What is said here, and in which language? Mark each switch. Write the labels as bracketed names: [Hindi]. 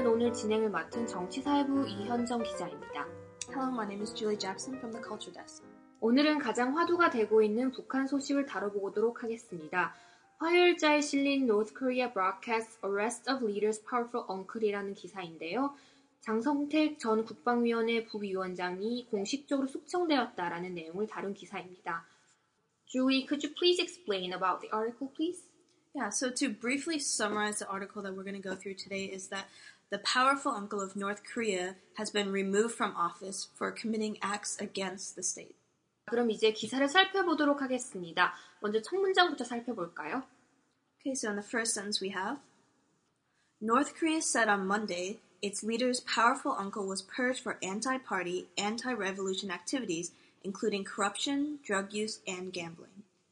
[Korean] 진행을 맡은 정치사회부 이현정 기자입니다. [English] Hello, my name is Julie Jackson from the Culture Desk. [Korean] 오늘은 가장 화두가 되고 있는 북한 소식을 다뤄보도록 하겠습니다. 화요일자에 실린 [English] North Korea Broadcast Arrest of Leaders Powerful Uncle이라는 기사인데요. [Korean] 장성택 전 국방위원회 부위원장이 공식적으로 숙청되었다라는 내용을 다룬 기사입니다. [English] Julie, could you please explain about the article, please? Yeah, so to briefly summarize the article that we're going to go through today is that the powerful uncle of North Korea has been removed from office for committing acts against the state. [Korean] 그럼 이제 기사를 살펴보도록 하겠습니다. 먼저 첫 문장부터 살펴볼까요? [English] Okay, so in the first sentence we have, North Korea said on Monday, its leader's powerful uncle was purged for anti-party, anti-revolution activities, including corruption, drug use, and gambling.